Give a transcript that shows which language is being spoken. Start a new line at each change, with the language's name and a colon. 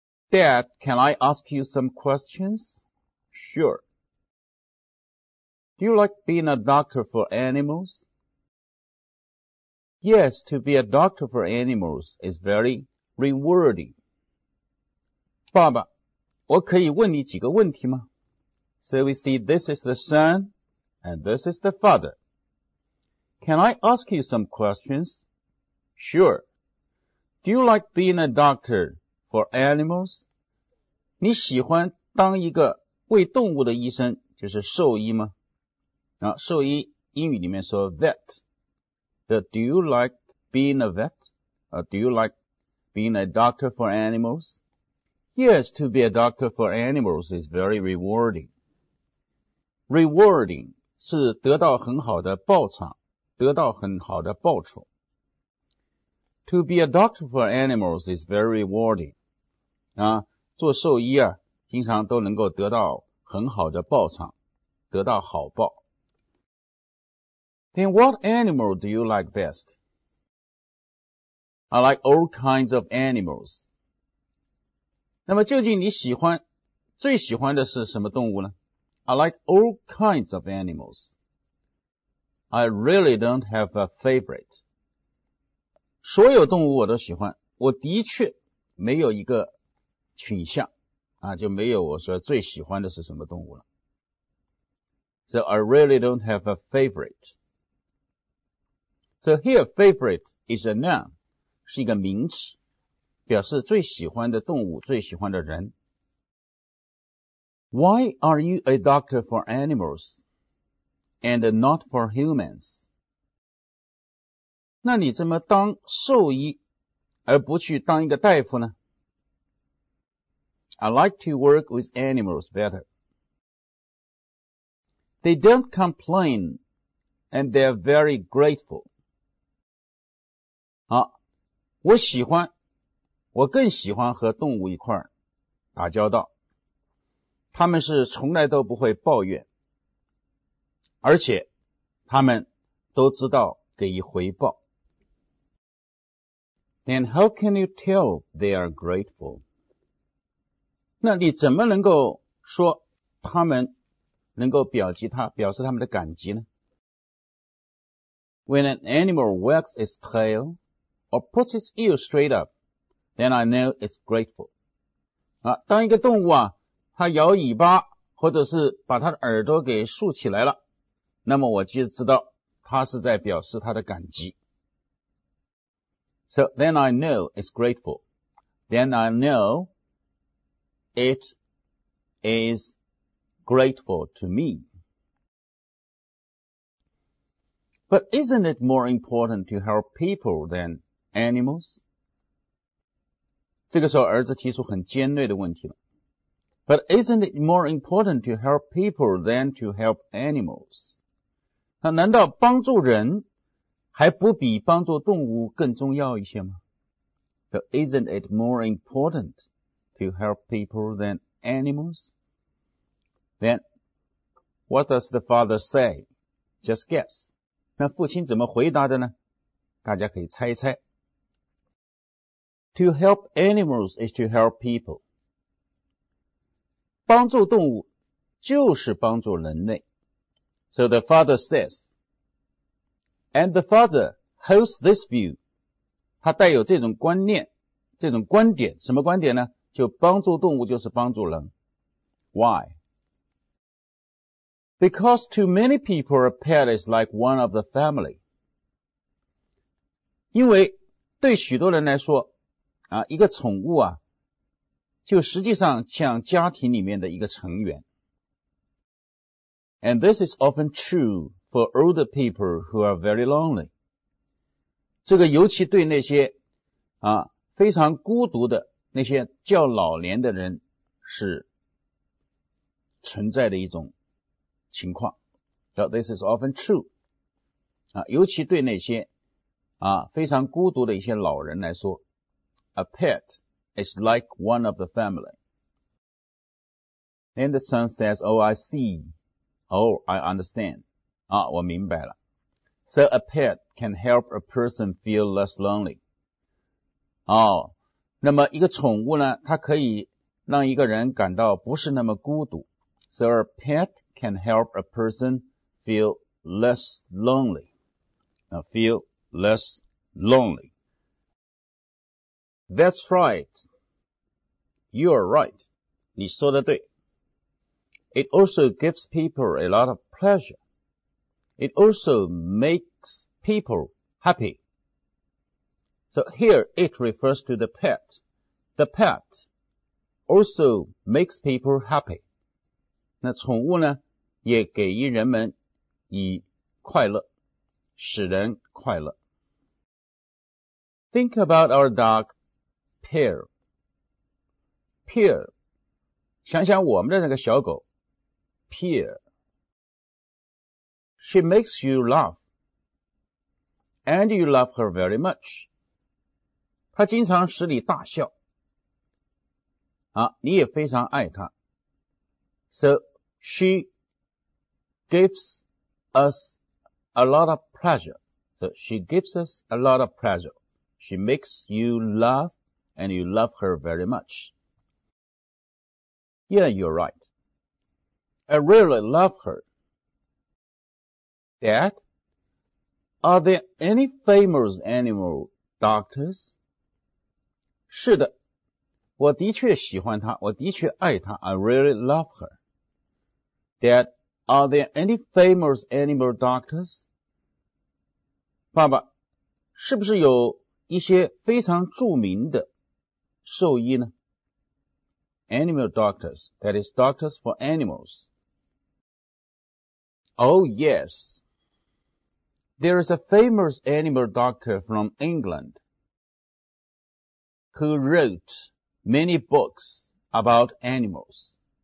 English: Dad, can I ask you some questions? Sure. Do you like being a doctor for animals? Yes, to be a doctor for animals is very rewarding.
Chinese: 爸爸，我可以问你几个问题吗？
English: So we see this is the son and this is the father. Can I ask you some questions? Sure. Do you like being a doctor for animals?
Chinese: 你喜欢当一个为动物的医生，就是兽医吗？啊，兽医英语里面说 vet.
English: Do you like being a vet? Do you like being a doctor for animals? Yes, to be a doctor for animals is very rewarding.
Chinese: Rewarding 是得到很好的报偿，得到很好的报酬。
English: To be a doctor for animals is very rewarding.
Chinese: 啊，做兽医啊，经常都能够得到很好的报偿，得到好报。
English: Then what animal do you like best? I like all kinds of animals.
Chinese: 那么究竟你喜欢，最喜欢的是什么动物呢？
English: I like all kinds of animals. I really don't have a favorite.
Chinese: 所有动物我都喜欢，我的确没有一个倾向啊，就没有我说最喜欢的是什么动物了。
English: So I really don't have a favorite. So here favorite is a noun,
Chinese: 是一个名词，表示最喜欢的动物，最喜欢的人。
English: Why are you a doctor for animals and not for humans?
Chinese: 那你怎么当兽医而不去当一个大夫呢？
English: I like to work with animals better. They don't complain and they're very grateful.
Chinese: 好，我喜欢，我更喜欢和动物一块打交道。他们是从来都不会抱怨，而且他们都知道给予回报。
English: And how can you tell they are grateful?
Chinese: 那你怎么能够说他们能够表示他们的感激呢？
English: When an animal wags its tail or puts its ear straight up, then I know it's grateful.
Chinese: 啊，当一个动物啊，它摇尾巴或者是把它的耳朵给竖起来了，那么我就知道它是在表示它的感激。
English: So then I know it's grateful. Then I know it is grateful to me. But isn't it more important to help people than animals?
Chinese: 这个时候儿子提出很尖锐的问题了。
English: But isn't it more important to help people than to help animals?
Chinese: 那难道帮助人还不比帮助动物更重要一些吗？
English: So isn't it more important to help people than animals? Then, what does the father say? Just guess.
Chinese: 那父亲怎么回答的呢？大家可以猜一猜。
English: To help animals is to help people.
Chinese: 帮助动物就是帮助人类。
English: So the father says,And the father holds this view.
Chinese: 他带有这种观念，这种观点，什么观点呢？就帮助动物就是帮助人。
English: Why? Because to many people, a pet is like one of the family.
Chinese: 因为对许多人来说，啊，一个宠物啊，就实际上像家庭里面的一个成员。
English: And this is often true. For older people who are very lonely.
Chinese: 这个尤其对那些啊，非常孤独的那些叫老年的人是存在的一种情况。
English: So this is often true.
Chinese: 啊，尤其对那些啊非常孤独的一些老人来说
English: ，a pet is like one of the family. And the son says, "Oh, I see. Oh, I understand."
Chinese: 啊，我明白了。
English: So a pet can help a person feel less lonely.
Chinese: 哦，那么一个宠物呢，它可以让一个人感到不是那么孤独。
English: So a pet can help a person feel less lonely. Feel less lonely. That's right. You are right.
Chinese: 你说的对。
English: It also gives people a lot of pleasure. It also makes people happy. So here it refers to the pet. The pet also makes people happy.
Chinese: 那宠物呢也给予人们以快乐，使人快乐。
English: Think about our dog, Pear. Pear.
Chinese: 想想我们的那个小狗 ,Pear.
English: She makes you laugh. And you love her very much.
Chinese: 她经常使你大笑。啊，你也非常爱她。
English: So, she gives us a lot of pleasure. So she gives us a lot of pleasure. She makes you laugh and you love her very much. Yeah, you're right. I really love her. Dad, are there any famous animal doctors?
Chinese: 是的，我的确喜欢她，我的确爱她。
English: I really love her. Dad,Are there any famous animal doctors?
Chinese: 爸爸，是不是有一些非常著名的兽医呢？
English: Animal doctors, that is doctors for animals. Oh yes. There is a famous animal doctor from England who wrote many books about animals.